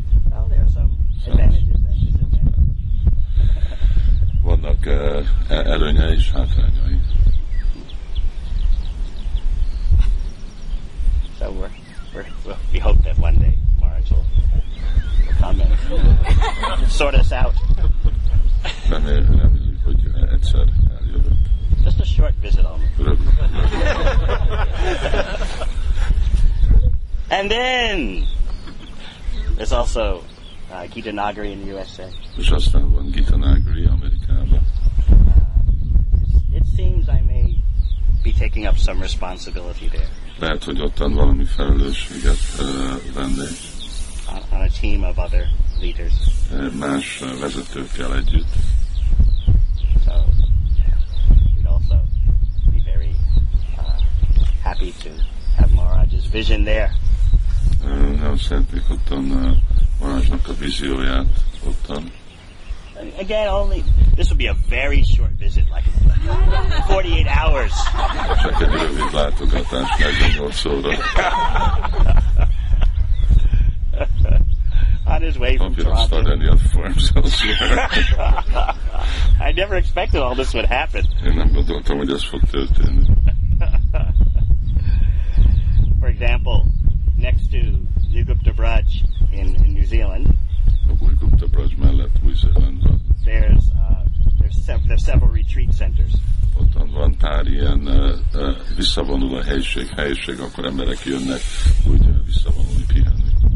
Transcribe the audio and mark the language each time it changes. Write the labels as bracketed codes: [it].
[en] Well, there are some advantages and disadvantages. [hu] Vannak előnye és hátrányai. [en] So we hope that one day Maharaj will come and sort us out. [hu] Reméljük, hogy egyszer eljövök. [en] Just a short visit only. And then there's also Gita Nagari in the USA. [hu] És aztán van Gita Nagari Amerikában. [en] It seems I may be taking up some responsibility there. [hu] Lehet, hogy ottan valami felelősséget vennék. [en] On a team of other leaders. [hu] Más vezetőkkel együtt. [en] So we'd also be very happy to have Maharaj's vision there. [hu] Nem szeretnék ottan Maharajnak a vízióját ottan. [en] Again, only this will be a very short visit, like 48 hours. [hu] Csak egy rövid látogatás, 48 óra. [en] On his way from Toronto. I never expected all this would happen. [hu] Én nem gondoltam, hogy ez fog történni. [en] For example, next to Gupta Braj in New Zealand. [hu] Gupta Braj mellett New Zealandban. [en] There's several retreat centers. [hu] Ott van pár ilyen visszavonuló helyiség, akkor emberek jönnek, hogy visszavonulni, pihenni.